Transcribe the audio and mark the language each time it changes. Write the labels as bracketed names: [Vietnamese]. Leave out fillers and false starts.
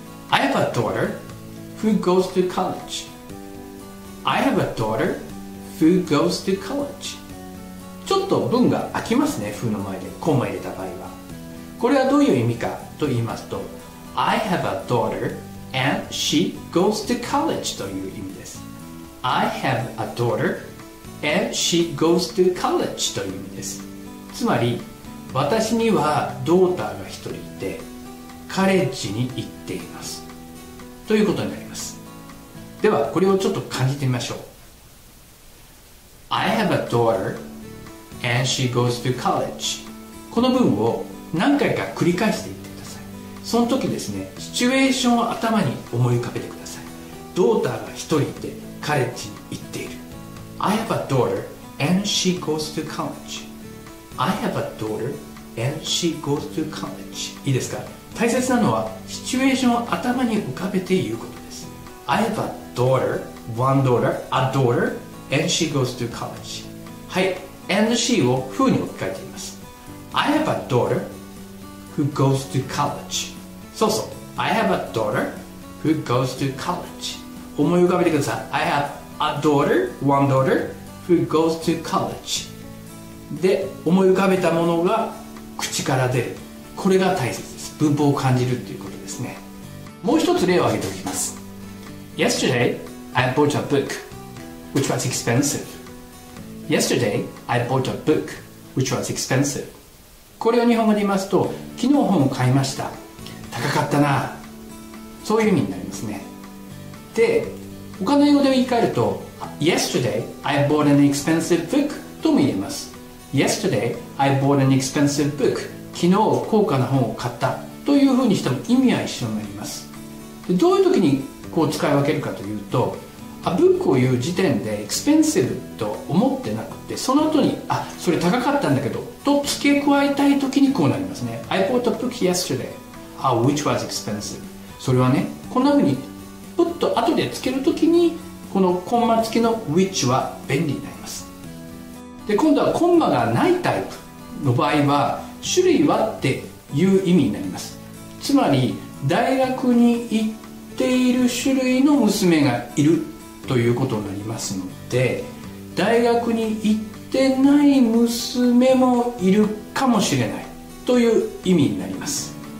[English] I have a daughter who goes to college、 I have a daughter who goes to college。 [Japanese] ちょっと文が空きますね。 who の前でコンマ入れた場合は、これはどういう意味かと言いますと、 [English] I have a daughter and she goes to college [Japanese] という意味です。 [English] I have a daughter and she goes to college [Japanese] という意味です。つまり私にはドーターが一人いて、カレッジに行っていますということになります。ではこれをちょっと感じてみましょう。 [English] I have a daughter and she goes to college、 [Japanese] この文を何回か繰り返していってください。その時ですね、シチュエーションを頭に思い浮かべてください。ドーターが一人いてカレッジに行っている。 [English] I have a daughter and she goes to college、 I have a daughter and she goes to college。 [Japanese] いいですか。大切なのはシチュエーションを頭に浮かべて言うことです。 [English] I have a daughter, one daughter, a daughter, and she goes to college。 [Japanese] はい、 [English] and she [Japanese] を who に置き換えています。 [English] I have a daughter who goes to college。そうそう、 I have a daughter who goes to college。 [Japanese] 思い浮かべてください。 [English] I have a daughter, one daughter, who goes to college。 [Japanese] で、思い浮かべたものが口から出る、これが大切です。文法を感じるということですね。もう一つ例を挙げておきます。 [English] Yesterday I bought a book which was expensive。 Yesterday I bought a book which was expensive。 [Japanese] これを日本語で言いますと、昨日本を買いました、高かったな、そういう意味になりますね。で、他の英語で言い換えると、 [English] Yesterday I bought an expensive book [Japanese] とも言えます。 [English] Yesterday I bought an expensive book、 [Japanese] 昨日高価な本を買ったというふうにしても意味は一緒になります。で、どういう時にこう使い分けるかというと、あ、ブックを言う時点でエクスペンシブと思ってなくて、その後に、あ、それ高かったんだけどと付け加えたい時にこうなりますね。 [English] I bought a book yesterday、 ah, which was expensive。 [Japanese] それはね、こんなふうにプッと後で付ける時に、このコンマ付きの which は便利になります。で、今度はコンマがないタイプの場合は、種類はっていう意味になります。つまり大学に行っている種類の娘がいるということになりますので、大学に行ってない娘もいるかもしれないという意味になります。